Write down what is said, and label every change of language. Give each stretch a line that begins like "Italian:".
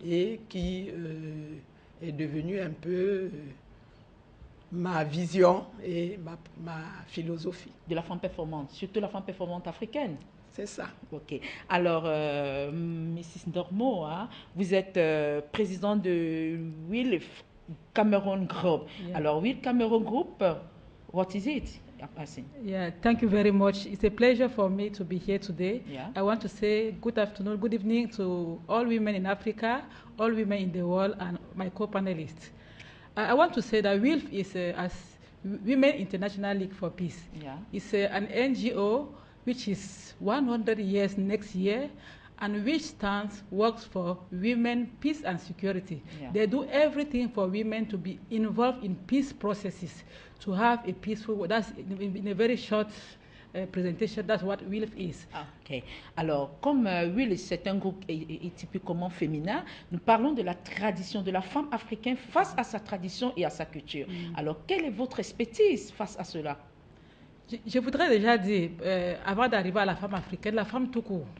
French: et qui est devenue un peu ma vision et ma philosophie. De la femme performante, surtout la femme performante africaine. C'est ça. Ok. Alors, Mrs. Dormeau, hein, vous êtes présidente de WILF Cameroun Group.
English: Yeah. Alors, WILF Cameroun Group. What is it? Yeah, thank you very much. It's a pleasure for me to be here today. Yeah. I want to say good afternoon, good evening to all women in Africa, all women in the world, and my co-panelists. I want to say that WILF is as Women International League for Peace. Yeah. It's an NGO which is 100 years next year, and which stands works for women, peace, and security. Yeah. They do everything for women to be involved in peace processes, to have a peaceful world. That's in a very short presentation, that's what WILF is. Okay.
French: Alors, comme WILF, c'est un groupe est typiquement féminin, nous parlons de la tradition de la femme africaine face à sa tradition et à sa culture. Mm. Alors, quelle est votre expertise face à cela? Je voudrais déjà dire, avant d'arriver à la femme africaine, la femme tout court.